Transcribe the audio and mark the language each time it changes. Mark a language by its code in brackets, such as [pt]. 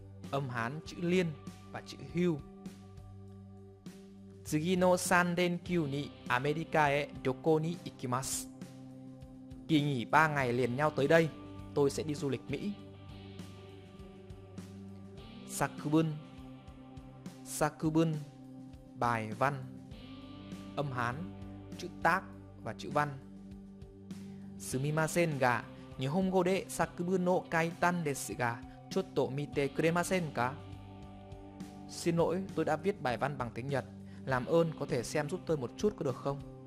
[vi] Âm hán chữ liên và chữ hưu. [ja] 次の3連休にアメリカへ旅行に行きます。 [vi] Kỳ nghỉ 3 ngày liền nhau tới đây, tôi sẽ đi du lịch Mỹ. [ja] 作文. [vi] Bài văn. Âm hán, chữ tác và chữ văn. [ja] すみませんが、日本語で作文を書いたんですが、ちょっと見てくれませんか? [vi] Xin lỗi, tôi đã viết bài văn bằng tiếng Nhật. Làm ơn có thể xem giúp tôi một chút có được không?